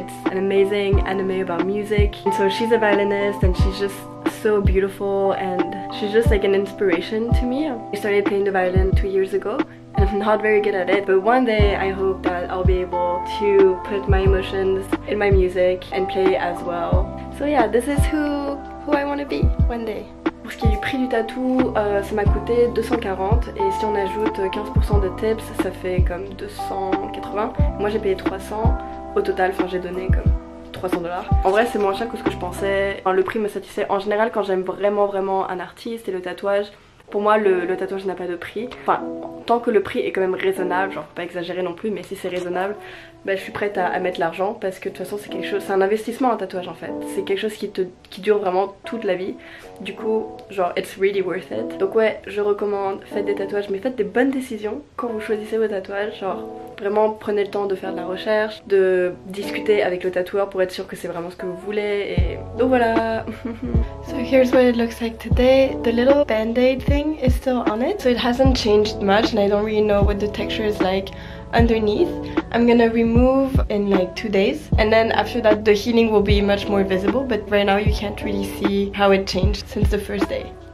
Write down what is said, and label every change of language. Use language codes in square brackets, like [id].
[en] It's an amazing anime about music. And so she's a violinist and she's just so beautiful and she's just like an inspiration to me. I started playing the violin 2 years ago and I'm not very good at it. But one day I hope that I'll be able to put my emotions in my music and play as well. So yeah, this is who I want to be one day. [fr] Pour ce qui est du prix du tatou, ça m'a coûté 240 et si on ajoute 15% de tips, ça fait comme 280. Moi j'ai payé 300 au total, enfin j'ai donné comme 300$. En vrai c'est moins cher que ce que je pensais, enfin, le prix me satisfait. En général quand j'aime vraiment vraiment un artiste et le tatouage, pour moi le tatouage n'a pas de prix. Enfin tant que le prix est quand même raisonnable, genre faut pas exagérer non plus, mais si c'est raisonnable, bah, je suis prête à mettre l'argent parce que de toute façon c'est quelque chose, c'est un investissement un tatouage en fait. C'est quelque chose qui dure vraiment toute la vie. Du coup genre [en] it's really worth it. [fr] Donc ouais je recommande, faites des tatouages mais faites des bonnes décisions quand vous choisissez vos tatouages. Genre vraiment prenez le temps de faire de la recherche, de discuter avec le tatoueur pour être sûr que c'est vraiment ce que vous voulez et donc voilà. [en] So here's what it looks like today. The little band-aid thing is still on it. So it hasn't changed much and I don't really know what the texture is like. underneath. I'm gonna remove in like 2 days, and then after that the healing will be much more visible, but right now you can't really see how it changed since the first day.